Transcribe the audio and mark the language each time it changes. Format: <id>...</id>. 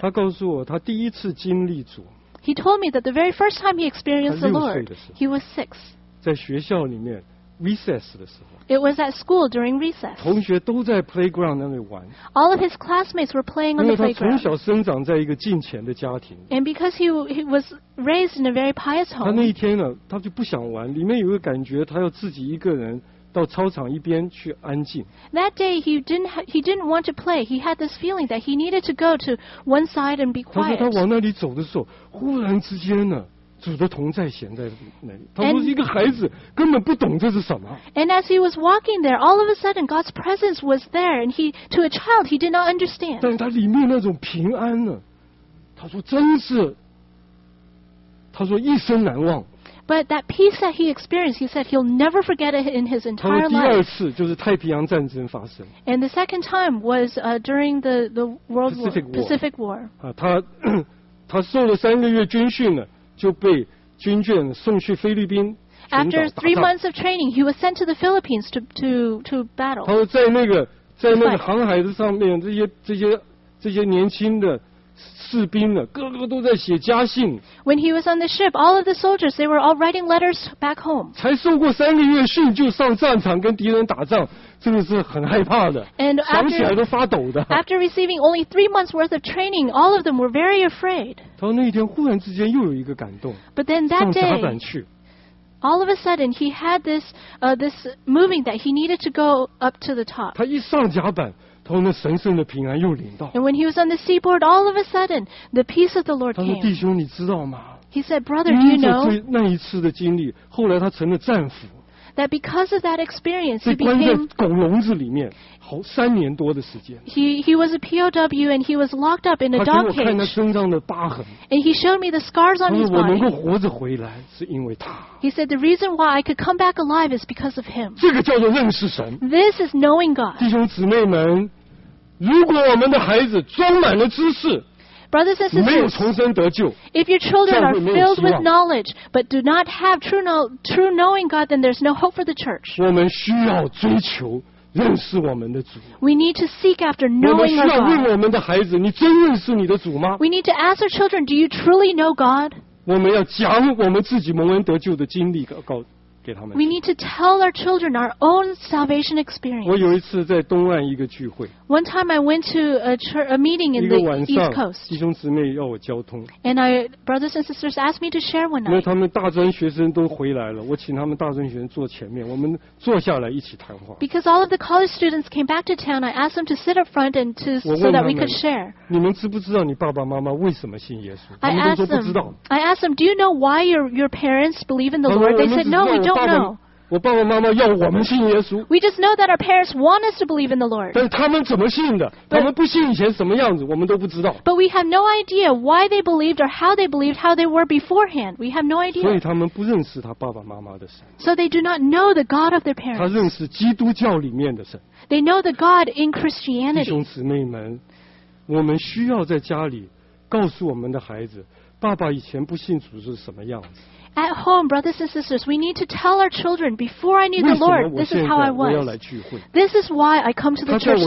<zh>他告诉我他第一次经历主。</zh> <en>He told me that the very first time he experienced the Lord, he was six.</en> <zh>在学校里面recess 的时候。</zh> <en>It was at school during recess.</en> <zh>同学都在 playground 那里玩。</zh> <en>All of his classmates were playing on the playground.</en> <zh>因为他从小生长在一个敬虔的家庭。</zh> <en>And because he was raised in a very pious home.</en> <zh>他那一天呢，他就不想玩，里面有个感觉，他要自己一个人。到操场一边去安静。</zh> <en>That day he didn't want to play. He had this feeling that he needed to go to one side and be quiet.</en> <zh>他说他往那里走的时候，忽然之间呢，主的同在显在那里。他说一个孩子根本不懂这是什么。</zh> <en>And as he was walking there, all of a sudden God's presence was there, and to a child he did not understand.</en> <zh>但他里面那种平安呢，他说真是，他说一生难忘。</zh> <en>But that peace that he experienced, he said he'll never forget it in his entire life.</en> <zh>他说第二次就是太平洋战争发生。</zh> <en>And the second time was during the World Pacific War. Pacific War.</en> <zh>啊，他受了三个月军训呢，就被军眷送去菲律宾。</zh> <en>After 3 months of training, he was sent to the Philippines to battle.</en> <zh>他说在那个航海的上面，这些年轻的。士兵呢，个个都在写家信。</zh> <en>When he was on the ship, all of the soldiers, they were all writing letters back home.</en> <zh>才受过三个月训就上战场跟敌人打仗，真的是很害怕的。</zh> <en>And</en> <zh>想起来都发抖的。</zh> <en>After receiving only 3 months worth of training, all of them were very afraid.</en> <zh>他说那一天忽然之间又有一个感动。</zh> <en>But then that day,</en> <zh>上甲板去。</zh> <en>All of a sudden, he had this moving that he needed to go up to the top.</en> <zh>他一上甲板。他说那神圣的平安又临到。</zh> <en>And when he was on the seaboard, all of a sudden, the peace of the Lord came.</en> <zh>他说弟兄，你知道吗？</zh> <en>He said, brother, do you know?</en> <zh>因为那一次的经历，后来他成了战俘。</zh> <en>That because of that experience, he became</en> <zh>被关在狗笼子里面，好三年多的时间。</zh> <en>He was a POW and he was locked up in a dog cage.</en> <zh>他给我看他身上的疤痕。</zh> <en>And he showed me the scars on his body.</en> <zh>我能够活着回来，是因为他。</zh> <en>He said the reason why I could come back alive is because of him.</en> <zh>这个叫做认识神。</zh> <en>This is knowing God.</en> <zh>弟兄姊妹们。如果我们的孩子装满了知识，</zh> <en>Brothers and sisters,</en> <zh>没有重生得救，</zh> <en>If your children are filled with knowledge but do not have true knowing God, then there's no hope for the church.</en> <zh>我们需要追求认识我们的主。</zh> <en>We need to seek after knowing God.</en> <zh>我们需要问我们的孩子，你真认识你的主吗？</zh> <en>We need to ask our children, do you truly know God?</en> <zh>我们要讲我们自己蒙恩得救的经历告诉。</zh> <en>We need to tell our children our own salvation experience.</en> <zh>我有一次在东岸一个聚会。</zh> <en>One time I went to a meeting in the East Coast.</en> <zh>弟兄姊妹要我交通。</zh> <en>And brothers and sisters asked me to share one night.</en> <zh>因为他们大专学生都回来了，我请他们大专学生坐前面，我们坐下来一起谈话。</zh> <en>Because all of the college students came back to town, I asked them to sit up front and to so that we could share.</en> <zh>你们知不知道你爸爸妈妈为什么信耶稣？他们都说不知道。</zh> <en>I asked them, "Do you know why your parents believe in the Lord?" They said, "No, we don't."</en> <zh>我爸爸妈妈要我们信耶稣。</zh> <en>We just know that our parents want us to believe in the Lord.</en> <zh>但是他们怎么信的？他们不信以前什么样子，我们都不知道。</zh> <en>But we have no idea why they believed or how they believed how they were beforehand. We have no idea.</en> <zh>所以他们不认识他爸爸妈妈的神。</zh> <en>So they do not know the God of their parents.</en> <zh>他认识基督教里面的神。</zh> <en>They know the God in Christianity.</en> <zh>弟兄姊妹们，我们需要在家里告诉我们的孩子，爸爸以前不信主是什么样子。</zh> <en>At home, brothers and sisters, we need to tell our children, before I knew the Lord, this is how I was. This is why I come to the church today.</en>